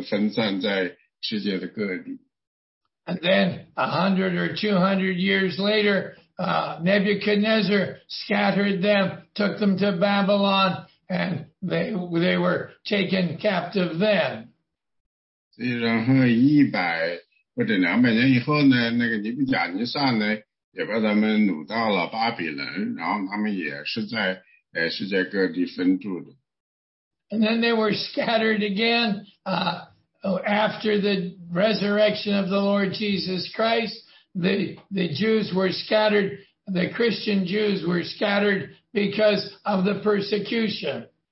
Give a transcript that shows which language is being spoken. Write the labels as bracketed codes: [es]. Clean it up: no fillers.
[zh] 所以呢,他们实际上是被亚述人给掠走了,然后呢,他们都分散在世界的各地。 [en] And then 100 or 200 years later, Nebuchadnezzar scattered them, took them to Babylon, and they were taken captive then. [zh] 所以然后100或者200年以后呢,那个尼布甲尼撒呢,也把他们掳到了巴比伦,然后他们也是在世界各地分住的。 [en] And then they were scattered again after the resurrection of the Lord Jesus Christ. The Jews were scattered, the Christian Jews were scattered because of the persecution.